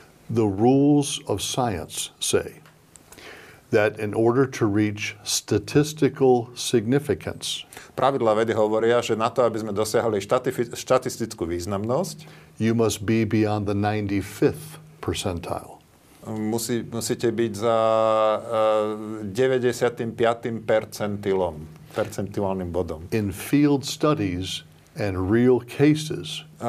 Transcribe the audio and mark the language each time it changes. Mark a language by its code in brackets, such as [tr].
[en] The rules of science say that in order to reach statistical significance, [sk] pravidlá vedy hovoria, že na to, aby sme dosiahli štatistickú významnosť, [en] you must be beyond the 95th percentile. [sk] Musíte byť za 95. percentilom, percentuálnym bodom. [en] In field studies and real cases,